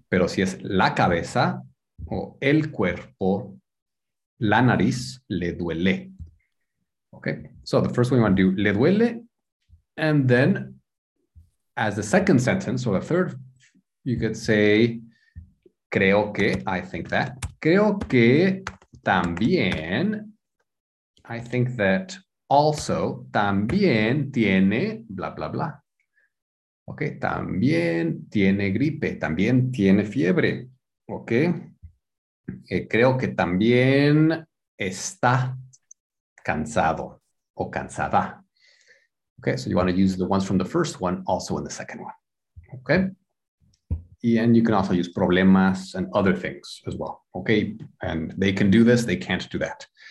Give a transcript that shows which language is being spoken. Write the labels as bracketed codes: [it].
[es] Pero si es la cabeza o el cuerpo, la nariz, le duele. [en] Okay. So the first one you want to do, [es] le duele. [en] And then as the second sentence, or the third, you could say, [es] creo que, [en] I think that. [es] Creo que también, [en] I think that also, [es] también tiene, bla, bla, bla. Ok, también tiene gripe, también tiene fiebre. Ok, creo que también está cansado o cansada. [en] Ok, so you want to use the ones from the first one also in the second one. Ok. And you can also use problemas and other things as well. Okay. And they can do this, they can't do that.